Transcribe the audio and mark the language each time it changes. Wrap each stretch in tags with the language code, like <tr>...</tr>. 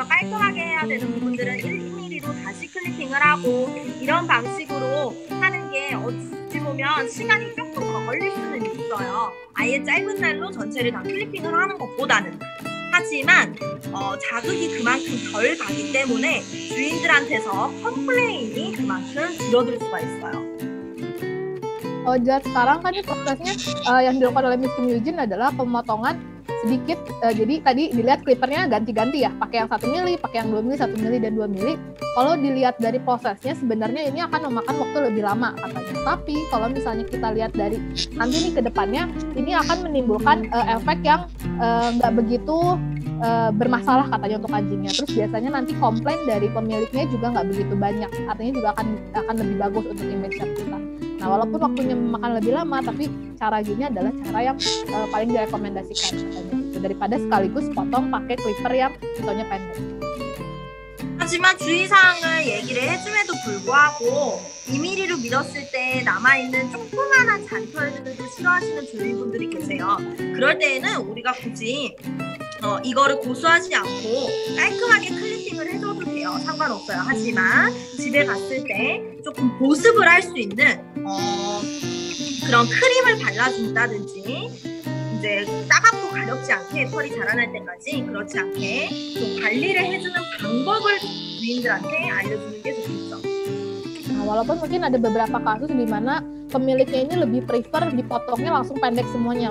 <ko>좀더 깔끔하게 해야 되는 부분들은 일일이로 다시 클리핑을 하고 이런 방식으로 하는 게 어찌 보면 시간이 조금 더 걸릴 수는 있어요. 아예 짧은 날로 전체를 다 클리핑을 하는 것보다는. 하지만 자극이 그만큼 덜 가기 때문에 주인들한테서 컴플레인이 그만큼 줄어들 수가 있어요.</ko> <id>제가 sekarang kan prosesnya yang dilakukan oleh Miss Kim Yujin adalah pemotongan sedikit. Jadi tadi dilihat clippernya ganti-ganti ya, pakai yang 1 mili, pakai yang 2 mili, 1 mili dan 2 mili. Kalau dilihat dari prosesnya sebenarnya ini akan memakan waktu lebih lama katanya. Tapi kalau misalnya kita lihat dari nanti nih ke depannya, ini akan menimbulkan efek yang nggak begitu bermasalah katanya untuk anjingnya. Terus biasanya nanti komplain dari pemiliknya juga nggak begitu banyak. Artinya juga akan lebih bagus untuk image kita. Nah, walaupun waktunya memakan lebih lama, tapi cara gini adalah cara yang paling direkomendasikan katanya. Daripada sekaligus potong pakai clipper yang contohnya pendek.</id> <ko>Ha지만 주의사항을 얘기를 해줌에도 불구하고 2mm로 밀었을 때 남아있는 조그마한 잔털들도 싫어하시는 주인분들이 계세요. 그럴 때에는 우리가 굳이 이거를 고수하지 않고 깔끔하게 클리핑을 해줘도 돼요. 상관없어요. 하지만 집에 갔을 때 조금 보습을 할 수 있는 그런 크림을 발라준다든지 이제 따갑고 가렵지 않게 털이 자라날 때까지 그렇지 않게 좀 관리를 해주는 방법을 주인들한테 알려주는 게 좋겠죠.</ko> <id>Walaupun mungkin ada beberapa kasus di mana pemiliknya ini lebih prefer dipotongnya langsung pendek semuanya.</id>